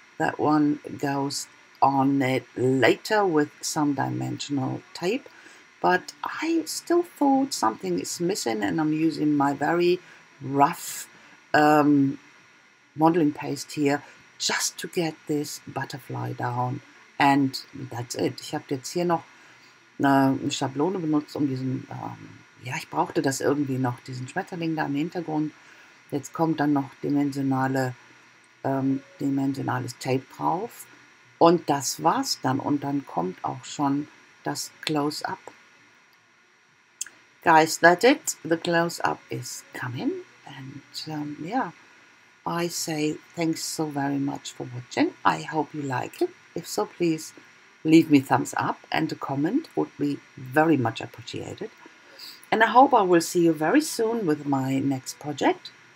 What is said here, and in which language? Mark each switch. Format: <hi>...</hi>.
<en>That one goes on it later with some dimensional tape. But I still thought something is missing, and I'm using my very rough modeling paste here just to get this butterfly down. And that's it.</en> <de>Ich habe jetzt hier noch eine Schablone benutzt, um diesen, ich brauchte das irgendwie noch, diesen Schmetterling da im Hintergrund. Jetzt kommt dann noch dimensionales Tape drauf. Und das war's dann. Und dann kommt auch schon das Close-Up.</de> <en>Guys, that's it. The close-up is coming. And I say thanks so very much for watching. I hope you like it. If so, please leave me a thumbs up, and a comment would be very much appreciated. And I hope I will see you very soon with my next project.</en>